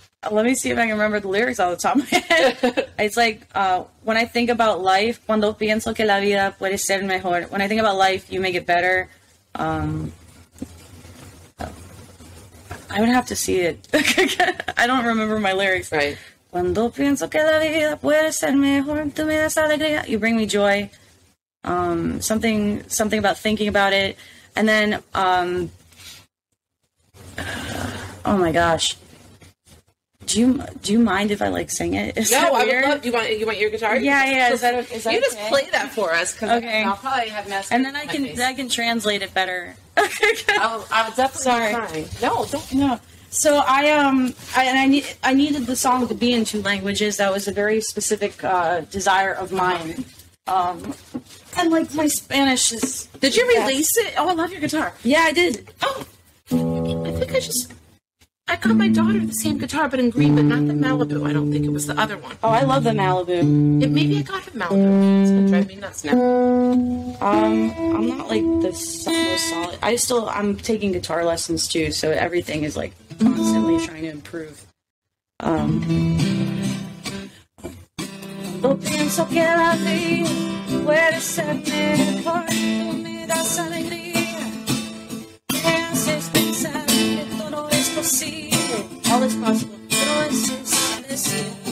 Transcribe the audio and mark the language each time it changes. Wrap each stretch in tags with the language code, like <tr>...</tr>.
<en>Let me see if I can remember the lyrics all the top of my head. It's like, when I think about life,</en> <es>cuando pienso que la vida puede ser mejor,</es> <en>when I think about life, you make it better. I would have to see it. I don't remember my lyrics. Right.</en> <es>Cuando pienso que la vida puede ser mejor, tú me das alegría.</es> <en>You bring me joy. Something about thinking about it. And then, oh my gosh. Do you mind if I like sing it? Is no, I would love. Do you want your guitar? Yeah. Is that you okay? Just play that for us. Cause okay. I'll probably have mess. And then I can translate it better. I'll definitely sorry. Try. No, don't. No. So I needed the song to be in two languages. That was a very specific desire of mine. And like my Spanish is. Did you release it? Oh, I love your guitar. Yeah, I did. Oh, I think I just. I got my daughter the same guitar, but in green, but not the Malibu. I don't think it was the other one. Oh, I love the Malibu. Maybe I got a Malibu. It's been driving me nuts now. I'm not, like, the most solid. I'm taking guitar lessons, too, so everything is, like, constantly trying to improve.</en> <es>No pienso que la vida puede ser mejor. Tú me das alegría. Me haces pensar que todo es posible.</es> <en>All is possible.</en> <es>Todo es especial.</es>